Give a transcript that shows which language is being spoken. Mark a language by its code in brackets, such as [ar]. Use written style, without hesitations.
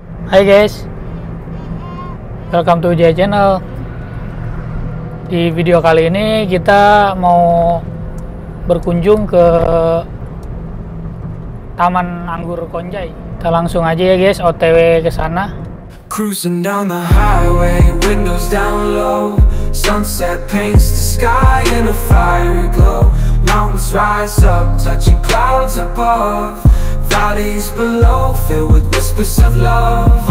[en] Hai guys, welcome to Jaya Channel. [id] Di video kali ini kita mau berkunjung ke Taman Anggur Konjai. Kita langsung aja ya guys, OTW ke sana. [en] Cruising down the highway, windows down low, sunset paints the sky in a fiery glow. Mountains rise up, touching clouds above. Bodies below, filled with whispers of love.